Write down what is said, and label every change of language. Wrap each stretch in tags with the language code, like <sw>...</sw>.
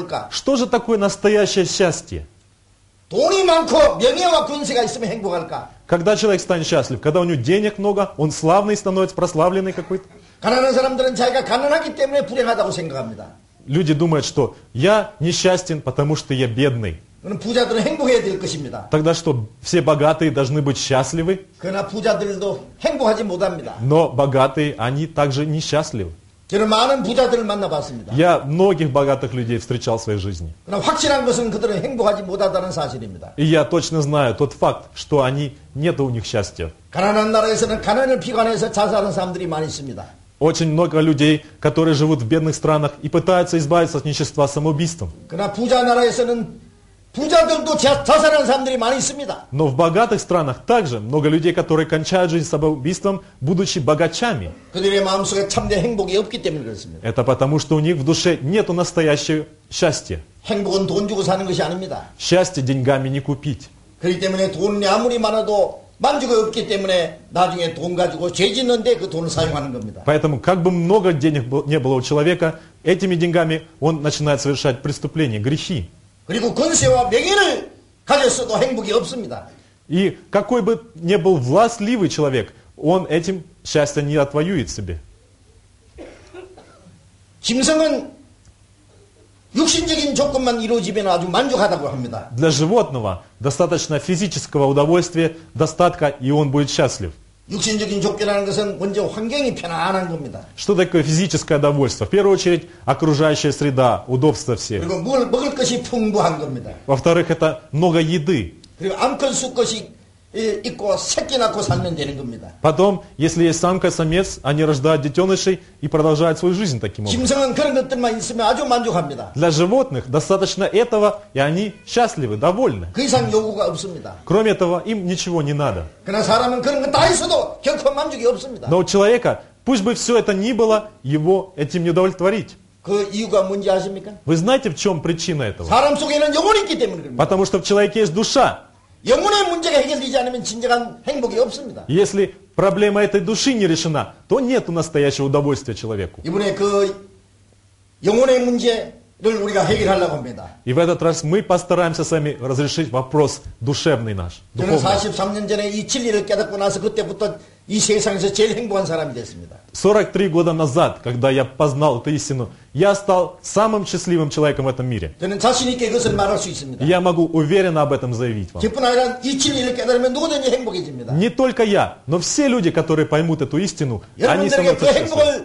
<ru>Что же такое настоящее счастье? Когда человек станет счастлив, когда у него денег много, он славный становится, прославленный какой-то.</ru> <ko>가난한 사람들은 자기가 가난하기 때문에 불행하다고 생각합니다.</ko> <ru>Люди думают, что я несчастен, потому что я бедный.</ru> <ko>그럼 부자들은 행복해야 될 것입니다.</ko> <ru>Тогда что, все богатые должны быть счастливы?</ru> <ko>그러나 부자들도 행복하지 못합니다.</ko> <ru>Но богатые, они также несчастливы.</ru> <ko>저는 많은 부자들을 만나봤습니다.</ko> <ru>Я многих богатых людей встречал в своей жизни.</ru> <ko>그러나 확실한 것은 그들은 행복하지 못하다는 사실입니다.</ko> <ru>И я точно знаю тот факт, что они нет у них счастья.</ru> <ko>가난한 나라에서는 가난을 비관해서 자살하는 사람들이 많이 있습니다.</ko> <ru>Очень много людей, которые живут в бедных странах и пытаются избавиться от нищества самоубийством.</ru> <ko>그러나 부자 나라에서는 부자들도 자살하는 사람들이 많이 있습니다.</ko> <ru>Но в богатых странах также много людей, которые кончают жизнь самоубийством, будучи богачами.</ru> <ko>그들의 마음속에 참된 행복이 없기 때문에 그렇습니다.</ko> <ru>Это потому, что у них в душе нету настоящего счастья.</ru> <ko>행복은 돈 주고 사는 것이 아닙니다.</ko> <ru>Счастье деньгами не купить.</ru> <ko>그렇기 때문에 돈이 아무리 많아도 만족이 없기 때문에 나중에 돈 가지고 죄 짓는데 그 돈을 사용하는 겁니다.</ko> <ru>Поэтому, как бы много денег не было у человека, этими деньгами он начинает совершать преступления, грехи.</ru> <ko>그리고 권세와 명예를 가졌어도 행복이 없습니다.</ko> <ru>И какой бы ни был властливый человек, он этим счастья не отвоюет себе.</ru> <ko>짐승은 육신적인 조건만 이루어지면 아주 만족하다고 합니다.</ko> <ru>Для животного достаточно физического удовольствия, достатка, и он будет счастлив.</ru> <ko>육신적인 조건이라는 것은 먼저 환경이 편안한 겁니다.</ko> <ru>Что такое физическое удовольствие? В первую очередь, окружающая среда, удобство все.</ru> <ko>그리고 먹을 것이 풍부한 겁니다.</ko> <ru>Во-вторых, это много еды.</ru> <ko>그리고 암컷 수컷이 있고 새끼 낳고 살면 되는 겁니다.</ko> <ru>Потом, если есть самка, самец, они рождают детенышей и продолжают свою жизнь таким образом.</ru> <ko>짐승은 그런 것들만 있으면 아주 만족합니다.</ko> <ru>Для животных достаточно этого, и они счастливы, довольны.</ru> <ko>그 이상 요구가 없습니다.</ko> <ru>Кроме этого, им ничего не надо.</ru> <ko>그러나 사람은 그런 거 다 있어도 결코 만족이 없습니다.</ko> <ru>Но у человека, пусть бы все это ни было, его этим не удовлетворить.</ru> <ko>그 이유가 뭔지 아십니까?</ko> <ru>Вы знаете, в чем причина этого?</ru> <ko>사람 속에는 영혼이 있기 때문에 그렇습니다.</ko> <ru>Потому что в человеке есть душа.</ru> <ko>영혼의 문제가 해결되지 않으면 진정한 행복이 없습니다.</ko> <ru>Если проблема этой души не решена, то нету настоящего удовольствия человеку.</ru> <ko>이번에 그 영혼의 문제를 우리가 해결하려고 합니다.</ko> <ru>И в этот раз мы постараемся сами разрешить вопрос душевный наш.</ru> <ko>저는 43년 전에 이 진리를 깨닫고 나서 그때부터 이 세상에서 제일 행복한 사람이 됐습니다.</ko> <ru>43 года назад, когда я познал эту истину, я стал самым счастливым человеком в этом мире.</ru> <ko>저는 자신 있게 그것을 말할 수 있습니다.</ko> <ru>Я могу уверенно об этом заявить вам.</ru> <ko>뿐 아니라 이 진리를 깨달으면 누구든지 행복해집니다.</ko> <ru>Не только я, но все люди, которые поймут эту истину, они становятся счастливыми.</ru>